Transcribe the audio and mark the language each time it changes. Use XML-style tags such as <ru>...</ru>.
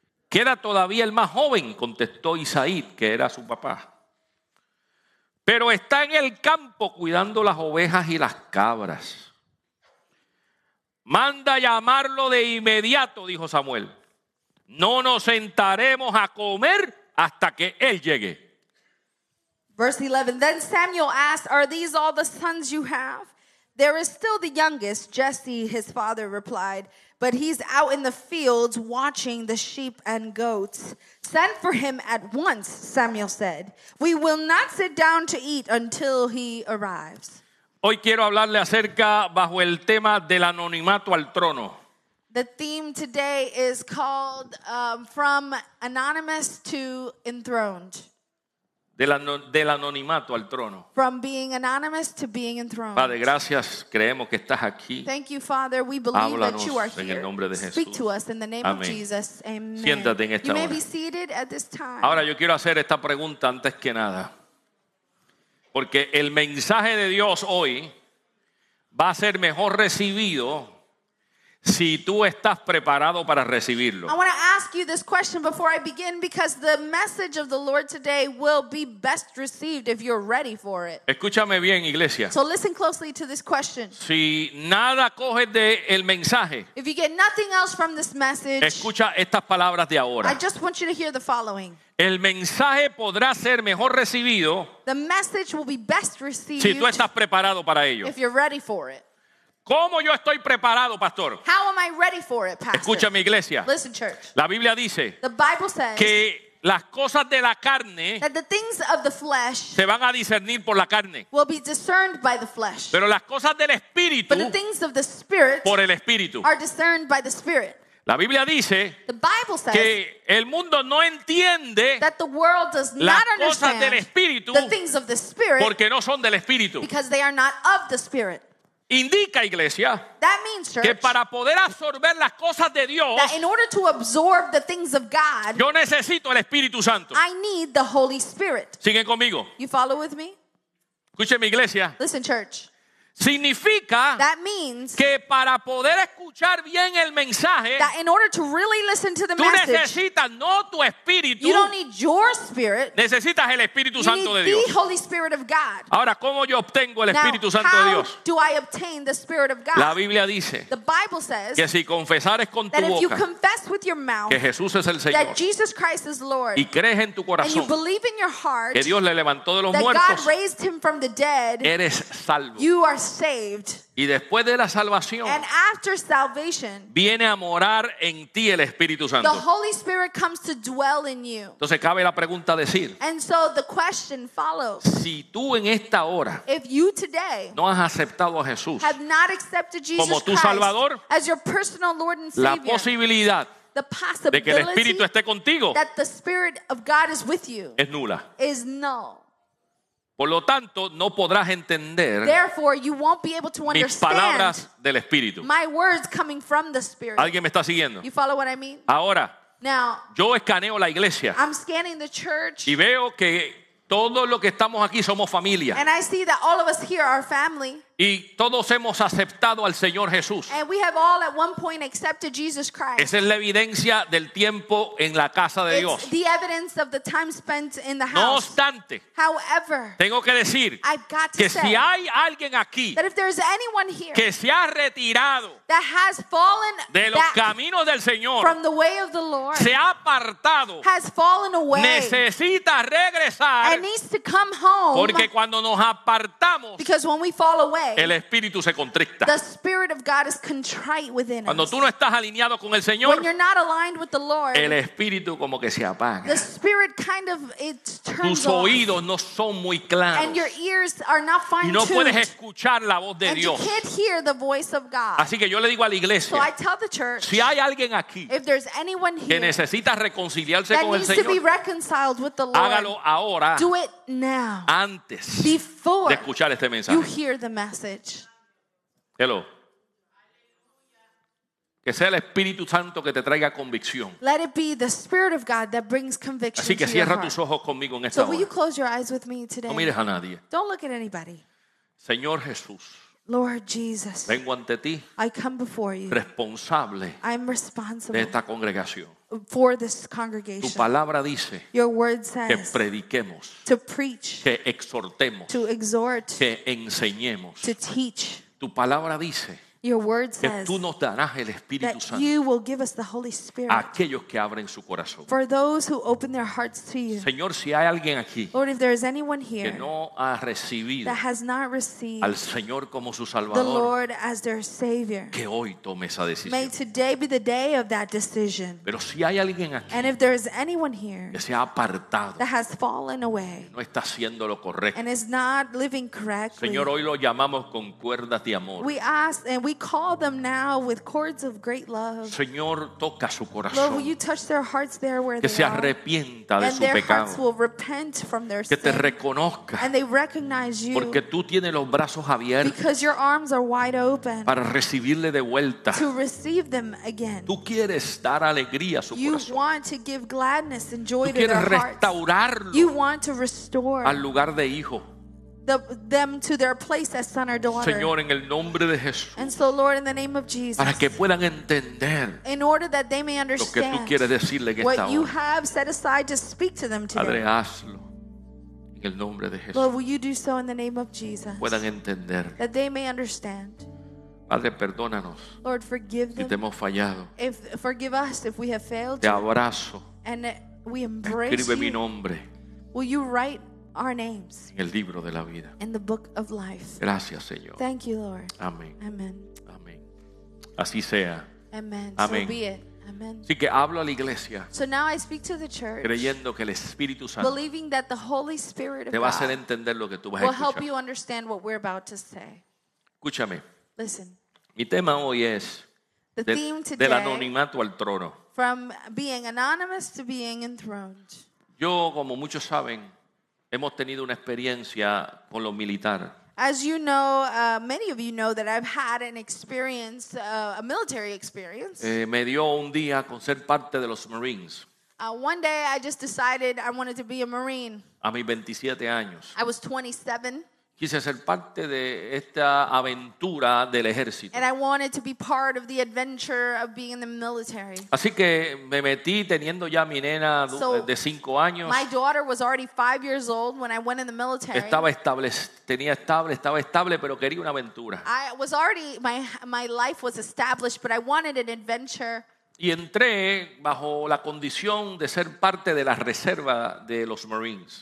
<es>¿Queda todavía el más joven? Contestó Isaí, que era su papá. Pero está en el campo cuidando las ovejas y las cabras. Manda llamarlo de inmediato, dijo Samuel. No nos sentaremos a comer hasta que él llegue.</es> <en>Verse 11, then Samuel asked, are these all the sons you have? There is still the youngest, Jesse, his father replied, but he's out in the fields watching the sheep and goats. Send for him at once, Samuel said. We will not sit down to eat until he arrives.</en> <es>Hoy quiero hablarle acerca bajo el tema del anonimato al trono.</es> <en>The theme today is called From Anonymous to Enthroned.</en> <es>Del anonimato al trono.</es> <en>From being anonymous to being enthroned.</en> <es>Padre, gracias. Creemos que estás aquí.</es> <en>Thank you, Father. We believe</en> <es>Háblanos</es> <en>that you are here.</en> <es>En el nombre de Jesús.</es> <en>Speak to us in the name</en> <es>Amén.</es> <en>Of Jesus. Amen.</en> <es>Siéntate en esta</es> <en>you may</en> <es>hora.</es> <en>Be seated at this time.</en> <es>Ahora yo quiero hacer esta pregunta antes que nada. Porque el mensaje de Dios hoy va a ser mejor recibido si tú estás preparado para recibirlo.</es> <en>I want to ask you this question before I begin because the message of the Lord today will be best received if you're ready for it.</en> <es>Escúchame bien, iglesia.</es> <en>So listen closely to this question.</en> <es>Si nada coges de el mensaje.</es> <en>If you get nothing else from this message.</en> <es>Escucha estas palabras de ahora.</es> <en>I just want you to hear the following.</en> <es>El mensaje podrá ser mejor recibido.</es> <en>The message will be best received.</en> <es>Si tú estás preparado para ello.</es> <en>If you're ready for it.</en> <es>¿Cómo yo estoy preparado, pastor?</es> <en>How am I ready for it, pastor?</en> <es>Escucha mi iglesia.</es> <en>Listen, church.</en> <es>La Biblia dice</es> <en>the Bible says</en> <es>que las cosas de la carne</es> <en>that the things of the flesh</en> <es>se van a discernir por la carne.</es> <en>Will be discerned by the flesh.</en> <es>Pero las cosas del espíritu</es> <en>but the things of the spirit</en> <es>por el espíritu</es> <en>are discerned by the spirit.</en> <es>La Biblia dice</es> <en>the Bible says</en> <es>que el mundo no entiende</es> <en>that the world does not</en> <es>las cosas del espíritu</es> <en>the things of the spirit</en> <es>porque no son del espíritu.</es> <en>Because they are not of the spirit.</en> <es>Indica, iglesia,</es> <en>that means, church,</en> <es>que para poder absorber las cosas de Dios,</es> <en>that in order to absorb the things of God,</en> <es>yo necesito el Espíritu Santo.</es> <en>I need the Holy Spirit.</en> <es>¿Siguen conmigo?</es> <en>You follow with me?</en> <es>Escúcheme, iglesia.</es> <en>Listen, church.</en> <es>Significa</es> <en>that means</en> <es>que para poder escuchar bien el mensaje,</es> <en>that in order to really listen to the</en> <es>tú necesitas</es> <en>message,</en> <es>no tu espíritu,</es> <en>you don't need your spirit,</en> <es>necesitas el Espíritu Santo de Dios.</es> <en>You need the Holy Spirit of God.</en> <es>Ahora, ¿cómo yo obtengo el</es> <en>Now,</en> <es>Espíritu Santo</es> <en>how</en> <es>de Dios?</es> <en>Do I obtain the Spirit of God?</en> <es>La Biblia dice</es> <en>the Bible says</en> <es>que si confesares con tu boca</es> <en>if you confess with your mouth</en> <es>que Jesús es el Señor</es> <en>that Jesus Christ is Lord,</en> <es>y crees en tu corazón</es> <en>and you believe in your heart,</en> <es>que Dios le levantó de los muertos,</es> <en>God raised him from the dead,</en> <es>eres salvo.</es> <en>You are saved.</en> <es>Y después de la salvación,</es> <en>and after salvation,</en> <es>viene a morar en ti el Espíritu Santo.</es> <en>The Holy Spirit comes to dwell in you.</en> <es>Entonces cabe la pregunta decir,</es> <en>and so the question follows,</en> <es>si tú en esta hora,</es> <en>if you today</en> <es>no has aceptado a Jesús,</es> <en>have not accepted Jesus</en> <es>como tu Salvador,</es> <en>Christ as your personal Lord and Savior,</en> <es>la posibilidad</es> <en>the possibility</en> <es>de que el Espíritu esté contigo</es> <en>that the Spirit of God is with you</en> <es>es nula.</es> <en>Is null.</en> <es>Por lo tanto, no podrás entender</es> <en>therefore, you won't be able to understand</en> <es>mis palabras del Espíritu.</es> <en>My words coming from the Spirit.</en> <es>¿Alguien me está siguiendo?</es> <en>You follow what I mean?</en> <es>Ahora,</es> <en>Now,</en> <es>yo escaneo la iglesia</es> <en>I'm scanning the church,</en> <es>y veo que todos los que estamos aquí somos familia.</es> <en>And I see that all of us here are family.</en> <es>Y todos hemos aceptado al Señor Jesús.</es> <en>And we have all at one point accepted Jesus Christ.</en> <es>Esa es la evidencia del tiempo en la casa de Dios.</es> <en>The evidence of the time spent in the house.</en> <es>No obstante,</es> <en>However,</en> <es>tengo que decir</es> <en>I've got to</en> <es>que</es> <en>say</en> <es>si hay alguien aquí</es> <en>that if there's anyone here</en> <es>que se ha retirado</es> <en>that has fallen</en> <es>de los caminos del Señor</es> <en>from the way of the Lord,</en> <es>se ha apartado</es> <en>has fallen away,</en> <es>necesita regresar</es> <en>and needs to come home,</en> <es>porque cuando nos apartamos</es> <en>because when we fall away way,</en> <es>el espíritu se contrista.</es> <en>The spirit of God is contrite within us.</en> <es>Cuando tú no estás alineado con el Señor,</es> <en>when you're not aligned with the Lord,</en> <es>el espíritu como que se apaga.</es> <en>The spirit kind of it turns</en> <es>tus oídos</es> <en>off,</en> <es>no son muy claros.</es> <en>And your ears are not fine-tuned.</en> <es>No puedes escuchar la voz de</es> <en>and</en> <es>Dios.</es> <en>You can't hear the voice of God.</en> <es>Así que yo le digo a la iglesia,</es> <en>so I tell the church,</en> <es>si hay alguien aquí,</es> <en>if there's anyone here,</en> <es>que necesita reconciliarse con el Señor,</es> <en>to be reconciled with the Lord,</en> <es>hágalo ahora.</es> <en>Do it now.</en> <es>Antes.</es> <en>Before</en> <es>de escuchar este mensaje.</es> <en>You hear the message. Hello.</en> <es>Que sea el Espíritu Santo que te traiga convicción.</es> <en>Let it be the Spirit of God that brings conviction.</en> <es>Así que cierra</es> <en>to your</en> <es>tus</es> <en>heart.</en> <es>Ojos conmigo en esta</es> <en>so</en> <es>hora.</es> <en>So will you close your eyes with me today?</en> <es>No mires a nadie.</es> <en>Don't look at anybody.</en> <es>Señor Jesús.</es> <en>Lord Jesus.</en> <es>Vengo ante ti.</es> <en>I come before you.</en> <es>Responsable.</es> <en>I'm responsible.</en> <es>De esta congregación.</es> <en>For this congregation.</en> <es>Tu palabra dice,</es> <en>your word says,</en> <es>que prediquemos,</es> <en>to preach,</en> <es>que exhortemos,</es> <en>to exhort,</en> <es>que enseñemos,</es> <en>to teach.</en> <es>Tu palabra dice,</es> <en>your word says,</en> <es>que tú nos darás el Espíritu</es> <en>that</en> <es>Santo,</es> <en>you will give us the Holy Spirit,</en> <es>a aquellos que abren su corazón,</es> <en>for those who open their hearts to you.</en> <es>Señor, si hay alguien aquí,</es> <en>Lord, if there is anyone here,</en> <es>que no ha recibido,</es> <en>that has not received,</en> <es>al Señor como su Salvador,</es> <en>the Lord as their Savior,</en> <es>que hoy tome esa decisión,</es> <en>may today be the day of that decision.</en> <es>Pero si hay alguien aquí,</es> <en>and if there is anyone here,</en> <es>que se ha apartado,</es> <en>that has fallen away,</en> <es>no está haciendo lo correcto,</es> <en>and is not living correctly,</en> <es>Señor, hoy lo llamamos con cuerdas de amor.</es> <en>We ask and we call them now with cords of great love.</en> <es>Señor, toca su corazón.</es> <en>Lord, will you touch their hearts there where</en> <es>que</es> <en>they</en> <es>se arrepienta</es> <en>are,</en> <es>de</es> <en>and</en> <es>su</es> <en>their</en> <es>pecado.</es> <en>Hearts will repent from their</en> <es>que</es> <en>sin.</en> <es>Te reconozca.</es> <en>And they recognize you</en> <es>porque tú tienes los brazos abiertos</es> <en>because your arms are wide open</en> <es>para recibirle de vuelta.</es> <en>To receive them again.</en> <es>Tú quieres dar alegría a su</es> <en>you</en> <es>corazón.</es> <en>Want to give gladness and joy</en> <es>tú quieres</es> <en>to their</en> <es>restaurarlo</es> <en>hearts. You want to restore</en> <es>al lugar de hijo.</es> <en>Them to their place as son or daughter.</en> <es>Señor, en el nombre de Jesús,</es> <en>and so Lord in the name of Jesus</en> <es>para que puedan entender</es> <en>in order that they may understand</en> <es>lo que tú quieres decirle en</es> <en>what</en> <es>esta</es> <en>you</en> <es>hora.</es> <en>Have set aside to speak to them today.</en> <es>Padre, hazlo en el nombre de Jesús.</es> <en>Lord, will you do so in the name of Jesus</en> <es>puedan entender</es> <en>that they may understand.</en> <es>Padre, perdónanos</es> <en>Lord, forgive them</en> <es>si te hemos fallado.</es> <en>If, forgive us if we have failed</en> <es>te abrazo</es> <en>and we embrace</en> <es>escribe</es> <en>you</en> <es>mi nombre.</es> <en>Will you write our names</en> <es>en el libro de la vida.</es> <en>In the book of life.</en> <es>Gracias, Señor.</es> <en>Thank you, Lord.</en> <es>Amén.</es> <en>Amen.</en> <es>Amén. Así sea.</es> <en>Amen.</en> <es>Amén.</es> <en>So be it. Amen.</en> <es>Así que hablo a la iglesia.</es> <en>So now I speak to the church.</en> <es>Creyendo que el Espíritu Santo.</es> <en>Believing that the Holy Spirit of</en> <es>te va a hacer entender lo que tú vas a escuchar.</es> <en>Will help you understand what we're about to say.</en> <es>Escúchame.</es> <en>Listen.</en> <es>Mi tema hoy es</es> <en>the theme today,</en> <es>del anonimato al trono.</es> <en>From being anonymous to being enthroned.</en> <es>Yo, como muchos saben, hemos tenido una experiencia con los militares.</es> <en>As you know, many of you know that I've had an experience, a military experience.</en> <es>Me dio un día con ser parte de los Marines.</es> <en>One day I just decided I wanted to be a Marine.</en> <es>A mis 27 años.</es> <en>I was 27.</en> <es>Quise ser parte de esta aventura del ejército.</es> <en>And I wanted to be part of the adventure of being in the military.</en> <es>Así que me metí teniendo ya mi nena de 5 años.</es> <en>My daughter was already 5 years old when I went in the military.</en> <es>Estaba estable, tenía estable, estaba estable, pero quería una aventura.</es> <en>I was already my life was established, but I wanted an adventure.</en> <es>Y entré bajo la condición de ser parte de la reserva de los Marines.</es>